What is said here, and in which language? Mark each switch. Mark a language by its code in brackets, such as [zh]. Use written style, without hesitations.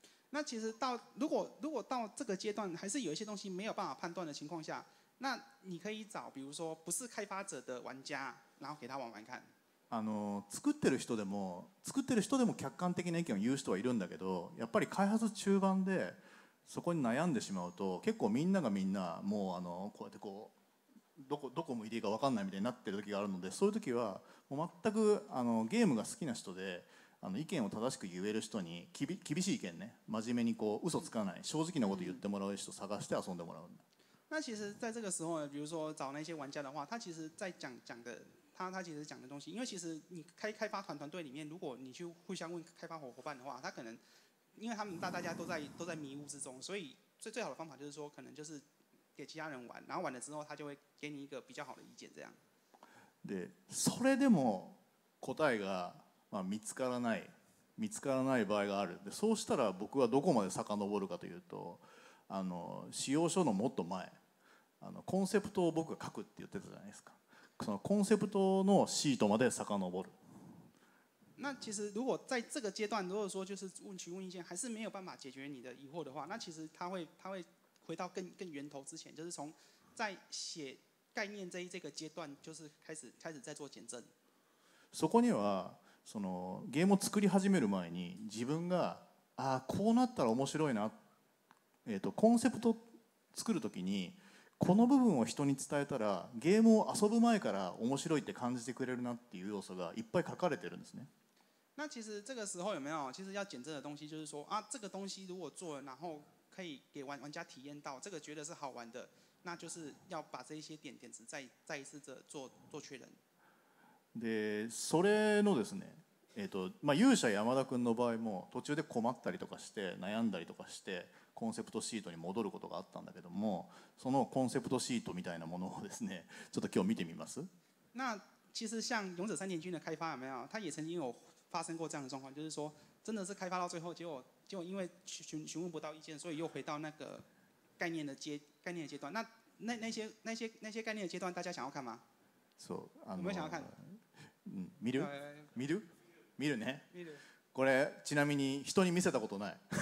[zh] 那其实到如果到这个阶段还是有一些东西没有办法判断的情况下，那你可以找比如说不是开发者的玩家，然后给他玩玩看。 [ja] 作ってる人でも客観的な意見を言う人はいるんだけど、やっぱり開発中盤でそこに悩んでしまうと、結構みんながみんなもうあのこうやってこうどこ向いていいか分かんないみたいになってる時があるので、そういう時はもう全くあのゲームが好きな人で、あの意見を正しく言える人に厳しい意見ね、真面目にこう嘘つかない正直なこと言ってもらう人探して遊んでもらう。 [zh] 那其实在这个时候比如说找那些玩家的话，他其实在讲的他其实讲的东西，因为其实你开发团队里面，如果你去互相问开发伙伴的话，他可能因为他们大家都在迷雾之中，所以最好的方法就是说可能就是给其他人玩，然后玩了之后他就会给你一个比较好的意见这样。 [ja] でそれでも答えが、まあ、見つからない場合がある。でそうしたら僕はどこまで遡るかというと、あの使用書のもっと前、あのコンセプトを僕が書くって言ってたじゃないですか。そのコンセプトのシートまで遡る。 [zh] 那其实如果在这个阶段如果说就是询问意见还是没有办法解决你的疑惑的话，那其实他会回到 更源头之前，就是从在写概念这个阶段就是开始在做检证。 [ja] そこにはそのゲームを作り始める前に自分が、あこうなったら面白いな、コンセプト作るときにこの部分を人に伝えたらゲームを遊ぶ前から面白いって感じてくれるなっていう要素がいっぱい書かれてるんですね。 [zh] 那其实这个时候有没有其实要检证的东西，就是说啊这个东西如果做了然后可以给玩家体验到这个觉得是好玩的，那就是要把这些点子再一次的做确认。 [ja] でそれのですね、まあ、勇者山田君の場合も途中で困ったりとかして悩んだりとかしてコンセプトシートに戻ることがあったんだけども、そのコンセプトシートみたいなものをですねちょっと今日見てみます。 [zh] 那其实像勇者三田君的开发有没有，他也曾经有发生过这样的状况，就是说真的是开发到最后结果因为询问不到意见，所以又回到那个概念的阶段。那些概念的阶段大家想要看吗？ [ja] そう、 [zh] 有没有想要看？ [ja] 見るね。これちなみに人に見せたことない。